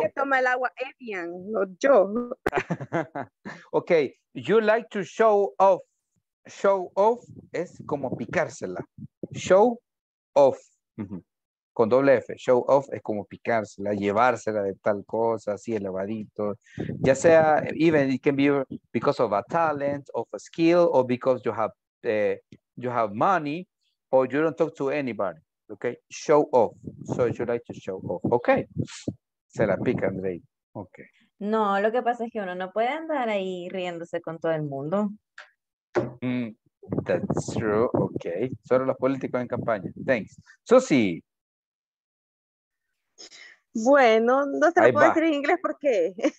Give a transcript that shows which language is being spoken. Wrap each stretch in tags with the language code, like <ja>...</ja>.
<es>Es la que toma el agua Evian, no yo.</es> <en>Okay, you like to show off.</en> <es>Show off es como picársela.</es> <en>Show off.</en> <es>Con doble F, show off es como picársela, llevársela de tal cosa, así elevadito. Ya sea,</es> <en>even it can be because of a talent, of a skill, or because you have money, or you don't talk to anybody, okay? Show off, so you like to show off, okay?</en> <es>Se la pica, André, okay. No, lo que pasa es que uno no puede andar ahí riéndose con todo el mundo.</es> <en>That's true, okay.</en> <es>Solo los políticos en campaña,</es> <en>thanks. Susie.</en> <es>Bueno, no se lo puedo decir en inglés porque</es>